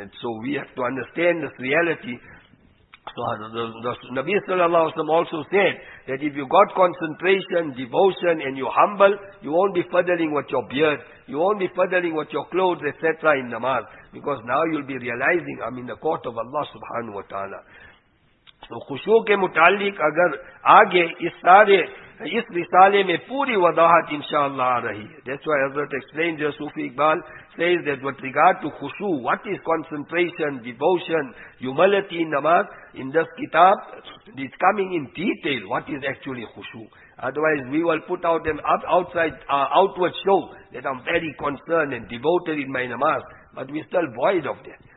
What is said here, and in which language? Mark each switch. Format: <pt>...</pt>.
<en>And so we have to understand this reality. So the Nabi sallallahu alayhi wa sallam also said that if you got concentration, devotion, and you're humble, you won't be fiddling with your beard, you won't be fiddling with your clothes, etc. in namaz. Because now you'll be realizing, I'm in the court of Allah subhanahu wa ta'ala.</en> <ur>تو خشوع کے متعلق اگر آگے اس رسالے میں پوری وضاحت انشاءاللہ آ رہی ہے.</ur> <en>That's why Hazrat explains the Sufi Iqbal says that with regard to khushu, what is concentration, devotion, humility in namaz, in this kitab, it is coming in detail what is actually khushu. Otherwise we will put out an outward show that I'm very concerned and devoted in my namaz, but we're still void of that.</en>